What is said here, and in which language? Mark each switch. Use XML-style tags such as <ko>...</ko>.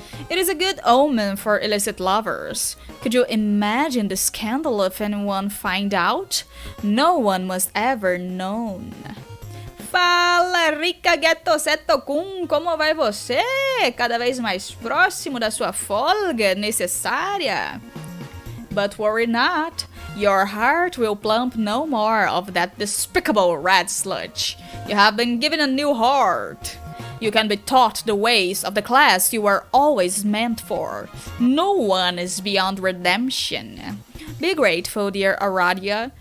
<en>It is a good omen for illicit lovers. Could you imagine the scandal if anyone find out? No one must ever know.</en> <pt>Fala, rica gueto seto kun, como vai você? Cada vez mais próximo da sua folga necessária.</pt> <en>But worry not, your heart will plump no more of that despicable red sludge. You have been given a new heart. You can be taught the ways of the class you were always meant for. No one is beyond redemption. Be grateful, dear Aradia.</en>